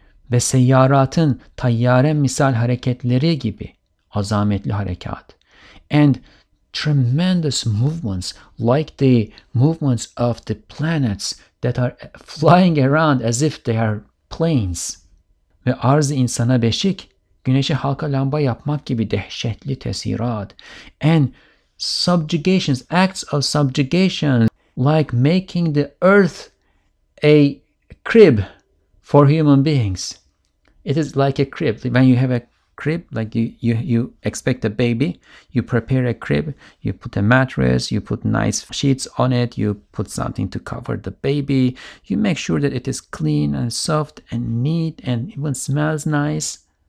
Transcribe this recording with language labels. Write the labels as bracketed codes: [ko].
[tr] Ve seyyaratın tayyare misal hareketleri gibi azametli harekat. [en] And tremendous movements like the movements of the planets that are flying around as if they are planes. [tr] Ve arz-ı insana beşik, güneşe halka lamba yapmak gibi dehşetli tesirat. [en] And subjugations, acts of subjugation, like making the earth a crib for human beings. It is like a crib. When you have a crib, like you expect a baby, you prepare a crib, you put a mattress, you put nice sheets on it, you put something to cover the baby, you make sure that it is clean and soft and neat and even smells nice.